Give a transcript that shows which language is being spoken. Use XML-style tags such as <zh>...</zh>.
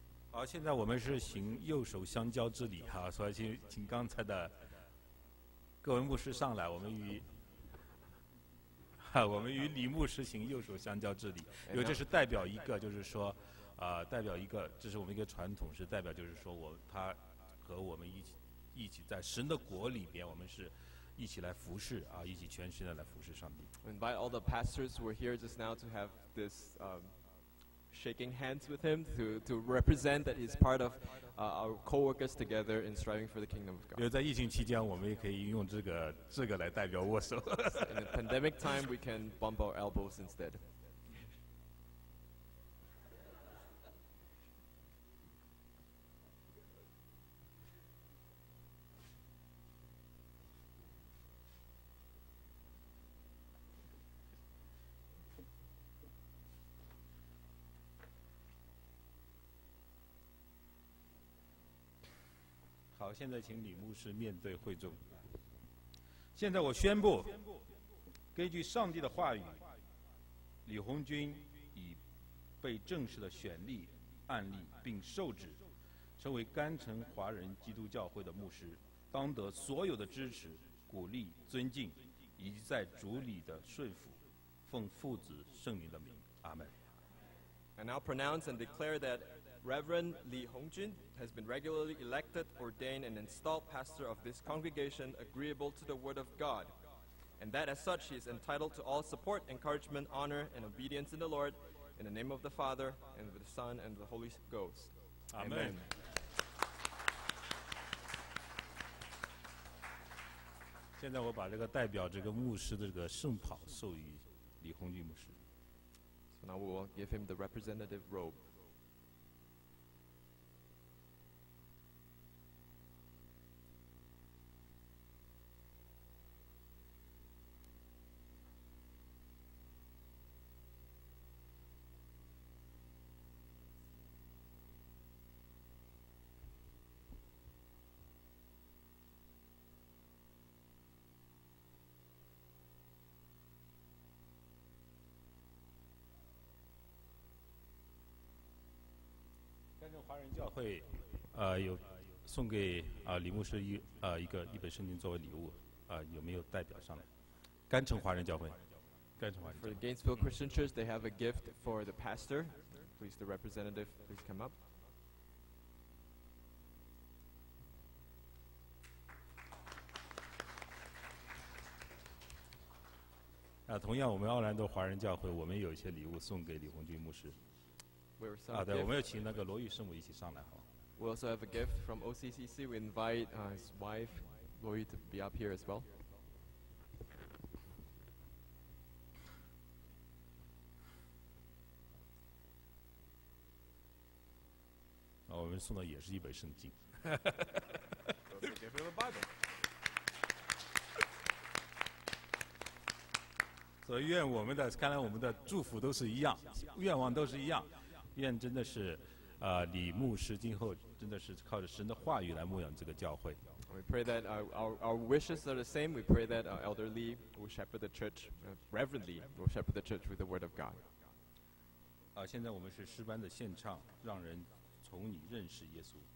<zh>好，现在我们是行右手相交之礼哈，所以请刚才的各位牧师上来，我们与李牧师行右手相交之礼，因为这是代表一个，就是说，代表一个，这是我们一个传统，是代表就是说他和我们一起在神的国里边，我们是一起来服侍啊，一起全身的来服侍上帝。</zh> <en>We invite all the pastors who are here just now to have this shaking hands with him to represent that he's part of our co-workers together in striving for the kingdom of God.</en> <zh>因为在疫情期间，我们也可以用这个来代表握手。</zh> <en>In the pandemic time, we can bump our elbows instead.</en> <zh>好，现在请李牧师面对会众。现在我宣布，根据上帝的话语，李红军已被正式的选立、案例并受旨，成为甘城华人基督教会的牧师，当得所有的支持、鼓励、尊敬，以及在主里的顺服。奉父子圣灵的名，阿门。</zh> <en>I now pronounce and declare that Reverend Lee Hongjun has been regularly elected, ordained, and installed pastor of this congregation agreeable to the word of God, and that as such he is entitled to all support, encouragement, honor, and obedience in the Lord, in the name of the Father, and of the Son, and of the Holy Ghost. Amen. Amen.</en> <zh>现在我把这个代表这个牧师的这个圣袍授予李红军牧师。</zh> <en>So now we will give him the representative robe.</en> <zh>教会，有送给李牧师一本圣经作为礼物，有没有代表上来？甘城华人教会，甘城华人教会。</zh> <en>For the Gainesville Christian Church, they have a gift for the pastor. Please, the representative, please come up.</en> <zh>同样，我们奥兰多华人教会，我们有一些礼物送给李红军牧师。对，我们要请那个罗玉圣母一起上来，好。</zh> <en>We also have a gift from OCCC. We invite his wife, Lori to be up here as well. Also gave him a Bible.</en> <zh>So, 愿我们的，看来我们的祝福都是一样，愿望都是一样。愿真的是，李牧师今后真的是靠着神的话语来牧养这个教会。</zh> <en>We pray that our wishes are the same. We pray that Elder Lee will shepherd the church, Reverend Lee will shepherd the church with the word of God.</en> <zh>现在我们是诗班的献唱，让人从你认识耶稣。</zh>